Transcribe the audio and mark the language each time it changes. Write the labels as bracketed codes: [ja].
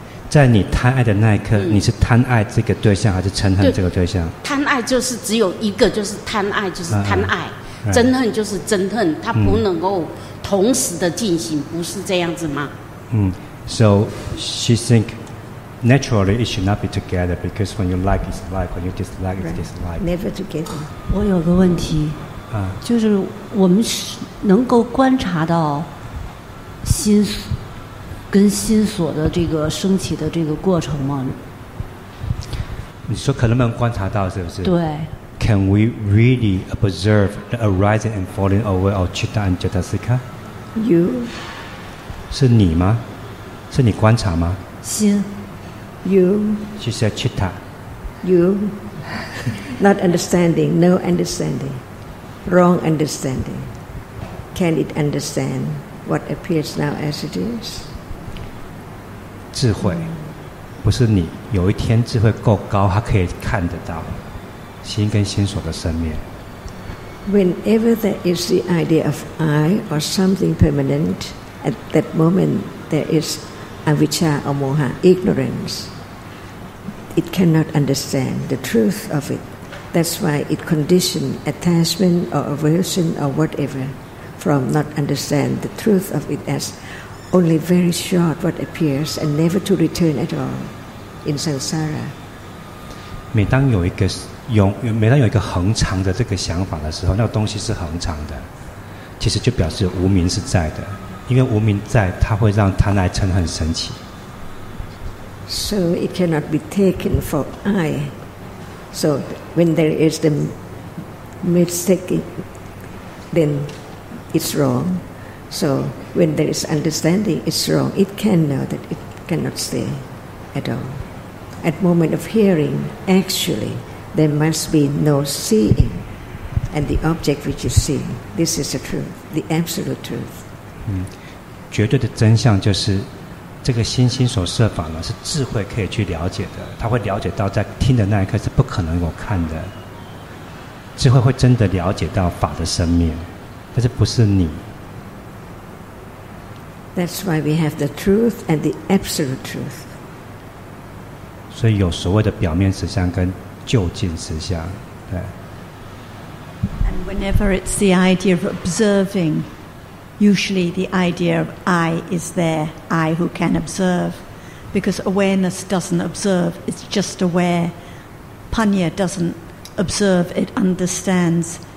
[zh] 在你贪爱的那一刻，你是贪爱这个对象还是嗔恨这个对象？贪爱就是只有一个，就是贪爱，就是贪爱。憎恨就是憎恨，它不能够同时的进行，不是这样子吗？ [en] So she think naturally it should not be together because when you like it's like, when you dislike it's dislike. Never together. [zh] 我有个问题，就是我们能够观察到心跟心所的这个升起的这个过程吗？你说可能不能观察到是不是？对。 [en] Can we really observe the arising and falling away of citta and cetasika? You. [zh] 是你吗？是你观察吗？心。 [en] You. She said citta. You. Not understanding. No understanding. Wrong understanding. Can it understand what appears now as it is? [zh] 智慧，不是你。有一天智慧够高，它可以看得到。心跟心所的生灭。 [en] Whenever there is the idea of I or something permanent, at that moment there is avijja or moha, ignorance. It cannot understand the truth of it. That's why it conditions attachment or aversion or whatever from not understand the truth of it as only very short what appears and never to return at all in samsara. [zh] 每当有一个每当有一个恒常的这个想法的时候，那个东西是恒常的，其实就表示无明是在的，因为无明在，它会让贪爱嗔恨升起。 [en] So it cannot be taken for I. So when there is the mistake, then it's wrong. So when there is understanding, it's wrong. It can know that it cannot stay at all. At moment of hearing, actually. There must be no seeing, and the object which is seen. This is the truth, the absolute truth. [zh] 绝对的真相就是，这个心心所设法呢，是智慧可以去了解的。他会了解到，在听的那一刻是不可能有看的。智慧会真的了解到法的生命，但是不是你。 [en] That's why we have the truth and the absolute truth. [zh] 所以有所谓的表面实相跟。究竟实相，对。 [en] And whenever it's the idea of observing, usually the idea of I is there, I who can observe, because awareness doesn't observe, it's just aware. Panya doesn't observe, it understands.